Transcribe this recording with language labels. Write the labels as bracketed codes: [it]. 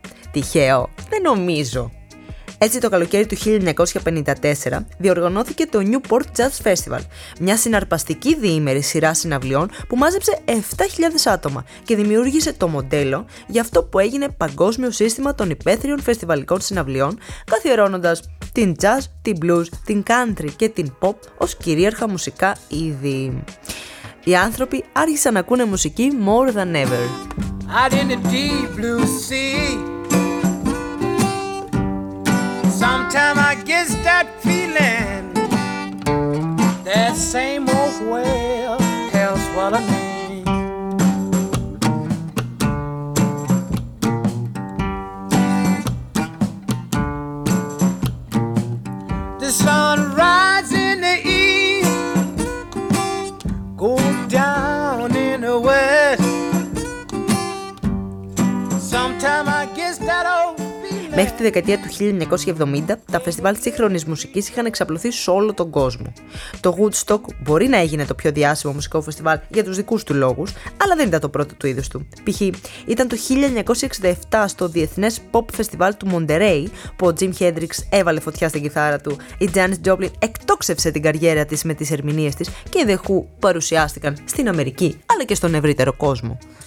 [el] Τυχαίο, δεν νομίζω. Έτσι το καλοκαίρι του 1954 διοργανώθηκε το Newport Jazz Festival, μια συναρπαστική διήμερη σειρά συναυλιών που μάζεψε 7.000 άτομα και δημιούργησε το μοντέλο για αυτό που έγινε παγκόσμιο σύστημα των υπαίθριων φεστιβαλικών συναυλιών, καθιερώνοντας την jazz, την blues, την country και την pop ως κυρίαρχα μουσικά είδη. Οι άνθρωποι άρχισαν να ακούνε μουσική [en] more than ever. Out in the deep blue sea, sometime I get that feeling, that same old whale tells what I mean. The sun rises in the east, goes down in the west. Sometime I get that old. [el] Μέχρι τη δεκαετία του 1970, τα φεστιβάλ σύγχρονης μουσικής είχαν εξαπλωθεί σε όλο τον κόσμο. Το Woodstock μπορεί να έγινε το πιο διάσημο μουσικό φεστιβάλ για τους δικούς του λόγους, αλλά δεν ήταν το πρώτο του είδους του. Π.χ. ήταν το 1967 στο Διεθνές Pop Festival του Monterey, που ο Jim Hendrix έβαλε φωτιά στην κιθάρα του, η Janis Joplin εκτόξευσε την καριέρα της με τις ερμηνείες της και οι The Who παρουσιάστηκαν στην Αμερική, αλλά και στον ευρύτερο κόσμο.